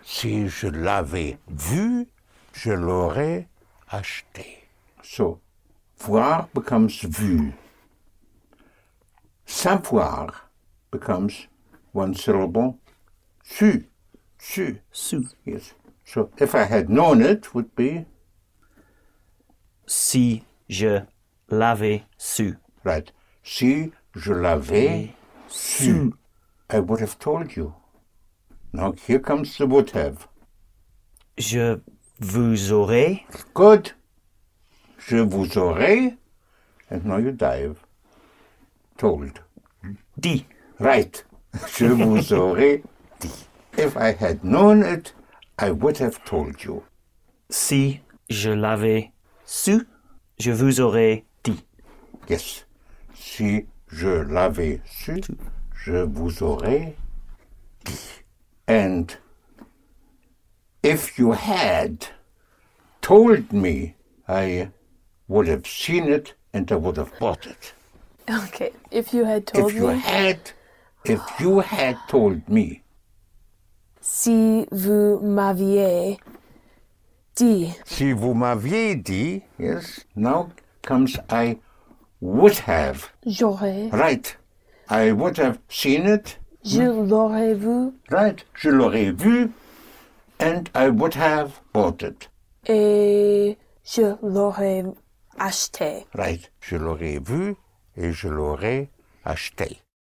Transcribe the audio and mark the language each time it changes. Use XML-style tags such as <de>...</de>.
<fr>Si je l'avais vu, je l'aurais acheter.</fr> <en>So, voir becomes vu. Savoir becomes one syllable.</en> <fr>Su. Su. Su.</fr> <en>Yes. So, if I had known it, would be?</en> <fr>Si je l'avais su. Right. Si je l'avais su.</fr> <en>I would have told you. Now, here comes the would have.</en> <fr>Je vous aurais.</fr> <en>Good.</en> <fr>Je vous aurais,</fr> <en>and now you dive, told.</en> <fr>Dit. Right. Je vous aurais dit.</fr> <en>If I had known it, I would have told you.</en> <fr>Si je l'avais su, je vous aurais dit.</fr> <en>Yes.</en> <fr>Si je l'avais su, je vous aurais dit.</fr> <en>And if you had told me, I would have seen it and I would have bought it. Okay, if you had told me. If you had told me.</en> <fr>Si vous m'aviez dit. Si vous m'aviez dit,</fr> <en>yes. Now comes I would have.</en> <fr>J'aurais.</fr> <en>Right. I would have seen it.</en> <fr>Je l'aurais vu. Right. Je l'aurais vu.</fr> <en>And I would have bought it.</en> <fr>Et je l'aurais acheté.</fr> <en>Right.</en> <fr>Je l'aurais vu et je l'aurais acheté.</fr>